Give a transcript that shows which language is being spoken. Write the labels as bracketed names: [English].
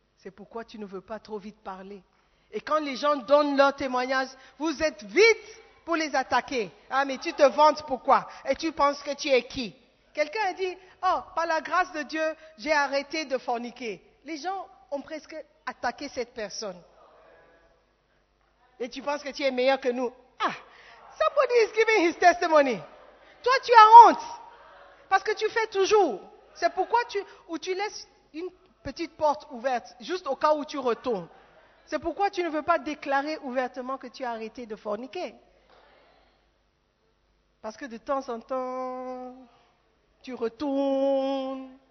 [French] C'est pourquoi tu ne veux pas trop vite parler. Et quand les gens donnent leur témoignage, vous êtes vite pour les attaquer. Ah, mais tu te vantes pourquoi? Et tu penses que tu es qui? Quelqu'un a dit, oh, par la grâce de Dieu, j'ai arrêté de forniquer. Les gens ont presque attaqué cette personne. Et tu penses que tu es meilleur que nous? [English] Ah, somebody is giving his testimony. [French] Toi, tu as honte. Parce que tu fais toujours. C'est pourquoi tu laisses une petite porte ouverte, juste au cas où tu retournes. C'est pourquoi tu ne veux pas déclarer ouvertement que tu as arrêté de forniquer. Parce que de temps en temps, tu retournes.